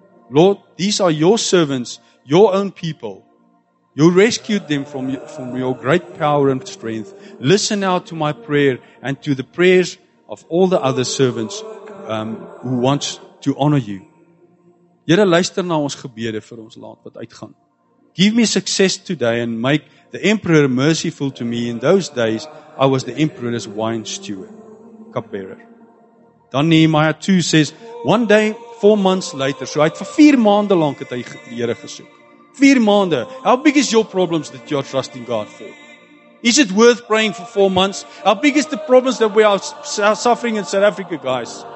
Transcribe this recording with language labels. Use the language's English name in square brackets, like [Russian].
[English] Lord, these are your servants, your own people. You rescued them from your great power and strength. Listen now to my prayer and to the prayers of all the other servants who want to honor you. [Afrikaans] Here, luister na ons gebede vir ons land wat uitgaan. [English] Give me success today and make the emperor merciful to me. In those days, I was the emperor's wine steward, cupbearer. [Afrikaans] Dan [English] Nehemiah 2 says, one day, 4 months later, [Afrikaans] so hy het vir 4 maande lank het hy die Here gesoek. 4 maande. [English] How big is your problems that you are trusting God for? Is it worth praying for 4 months? How big is the problems that we are suffering in South Africa, guys?